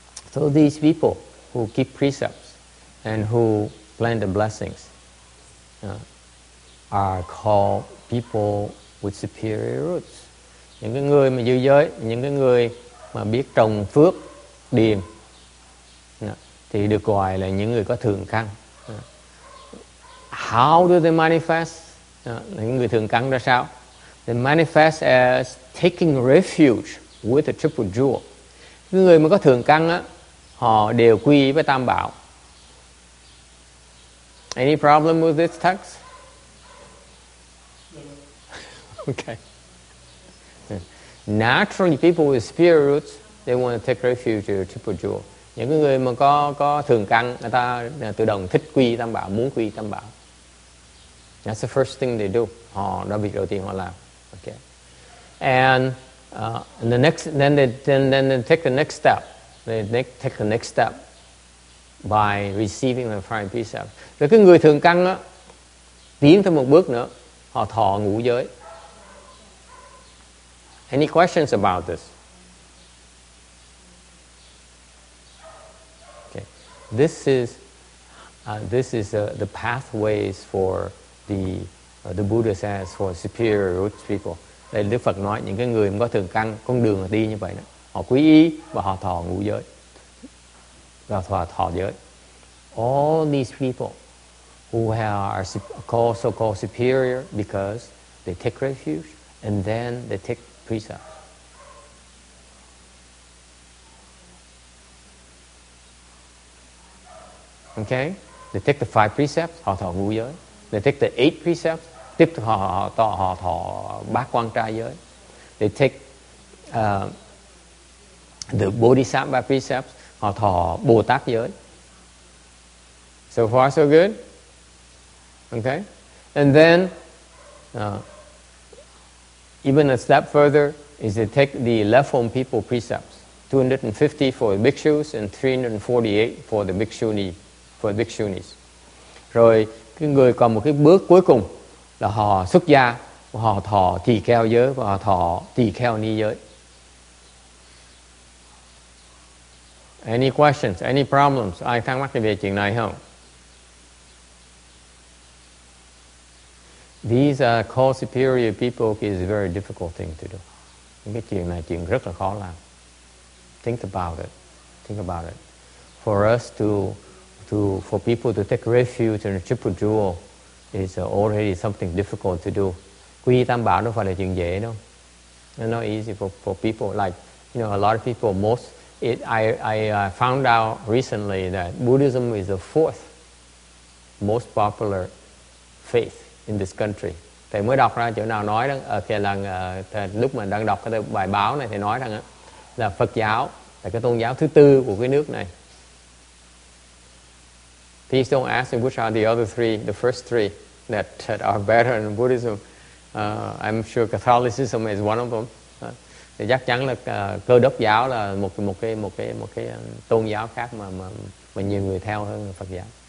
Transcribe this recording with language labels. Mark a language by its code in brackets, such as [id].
[en] So these people who keep precepts and who plant the blessings are called people with superior roots. [vi] Những cái người mà giữ giới, những cái người mà biết trồng phước điềm thì được gọi là những người có thượng căn. [en] How do they manifest? [vi] Những người thượng căn ra sao? [en] They manifest as taking refuge with the triple jewel. [vi] Cái người mà có thượng căn á, họ đều quy với Tam Bảo. [en] Any problem with this text? Okay. Naturally, people with spirit roots, they want to take refuge in the triple jewel. [vi] Những người mà có thượng căn, người ta tự động thích quy Tam Bảo, muốn quy Tam Bảo. [en] That's the first thing they do. [vi] Họ đã việc đầu tiên họ làm. [en] Okay. And the next, then they take the next step. They take the next step by receiving the five precepts. [vi] Rồi cái người thượng căn á tiến thêm một bước nữa, họ thọ ngũ giới. [en] Any questions about this? Okay. This is the pathways for the Buddha says for superior root people. [vi] Đây Đức Phật nói những cái người có thượng căn, con đường đi như vậy đó. Họ quý y và họ thọ ngũ giới. Và thọ giới. [en] All these people who are so-called superior because they take refuge and then they take precepts. Okay? They take the five precepts, [vi] họ thọ ngũ giới. [en] They take the eight precepts, [vi] tiếp tục họ thọ bát quan trai giới. [en] They take the bodhisattva precepts, [vi] họ thọ bồ tát giới. [en] So far so good. Okay. And then even a step further is to take the left home people precepts. 250 for the bhikshus and 348 for the bhikshuni, for the bhikshunis. [vi] Rồi cái người còn một cái bước cuối cùng là họ xuất gia, họ thọ tỳ kheo giới và họ thọ tỳ kheo ni giới. [en] Any questions, any problems? [vi] Ai thắc mắc về chuyện này không? [en] These are called superior people is a very difficult thing to do. [vi] Cái chuyện này chuyện rất là khó làm. [en] Think about it. Think about it. For us for people to take refuge in a triple jewel is already something difficult to do. [vi] Quy Tam Bảo đâu phải là chuyện dễ đâu. [en] It's not easy for people. Like, you know, a lot of people, I found out recently that Buddhism is the fourth most popular faith in this country. [vi] Thầy mới đọc ra chỗ nào nói đó, okay, là lúc mà đang đọc cái bài báo này, thầy nói rằng là Phật giáo là cái tôn giáo thứ tư của cái nước này. [en] Please don't ask me which are the other three, the first three that are better than Buddhism. I'm sure Catholicism is one of them. [vi] Thì chắc chắn là Cơ Đốc giáo là một cái tôn giáo khác mà nhiều người theo hơn là Phật giáo.